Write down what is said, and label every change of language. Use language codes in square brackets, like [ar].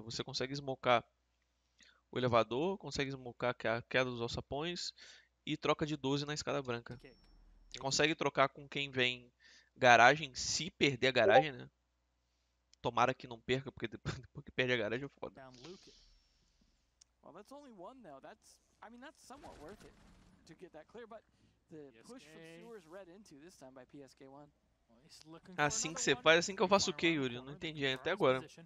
[pt] Você consegue smocar o elevador, consegue smocar a queda dos alçapões e troca de 12 na escada branca. Consegue trocar com quem vem garagem, se perder a garagem, né? Tomara que não perca, porque depois que perde a garagem, foda. [en] Well, that's only one now. That's, I mean, that's somewhat worth it to get that clear, but the push from sewers read into this time by PSK1. [pt] Assim que você faz, assim que eu faço o quê, Yuri? Eu não entendi até agora.